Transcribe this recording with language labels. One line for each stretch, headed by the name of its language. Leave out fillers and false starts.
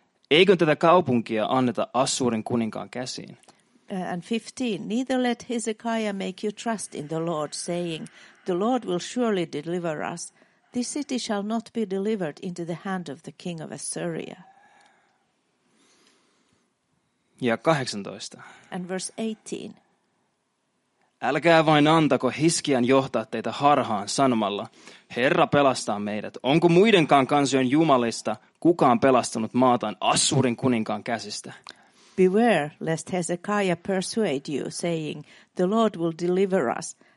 Finnish: Eikö tätä kaupunkia anneta Assyrin kuninkaan käsiin?
English: And 15, neither let Hezekiah make you trust in the Lord, saying, the Lord will surely deliver us. This city shall not be delivered into the hand of the king of Assyria.
Finnish: Ja 18.
English: And verse 18.
Finnish: Älkää vain antako Hiskian johtaa teitä harhaan sanomalla, Herra pelastaa meidät. Onko muidenkaan kansojen jumalista kukaan pelastanut maataan Assyrin kuninkaan käsistä?
English: Beware, lest Hezekiah persuade you, saying, the Lord will deliver us.